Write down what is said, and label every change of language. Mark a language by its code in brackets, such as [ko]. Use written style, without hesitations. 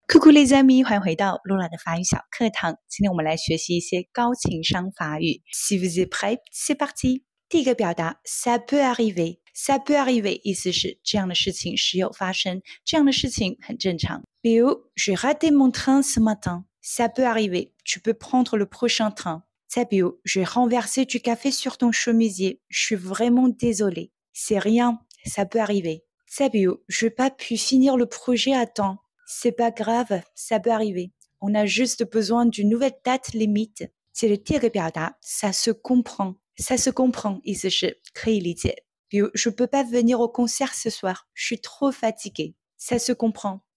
[fr] Coucou les amis， [zh] 欢迎回到露娜的法语小课堂。今天我们来学习一些高情商法语。 [fr] Si vous êtes prêts, c'est parti。 [zh] 第一个表达 [fr] ，ça peut arriver。 ça peut arriver [zh] 意思是这样的事情时有发生，这样的事情很正常。比如 [fr] ，j'ai raté mon train ce matin。ça peut arriver。 tu peux prendre le prochain train。 [zh] 再比如 [fr] ，j'ai renversé du café sur ton chemisier。 je suis vraiment désolé。 c'est rien。 ça peut arriver。 [zh] 再比如 [fr] ，j'ai pas pu finir le projet à temps。 C'est pas grave, ça peut arriver. On a juste besoin d'une nouvelle date limite. C'est le tiers de Biarda, ça se comprend. Ça se comprend, il se chie, crie l'idée. Puis, je peux pas venir au concert ce soir, je suis trop fatiguée. Ça se comprend.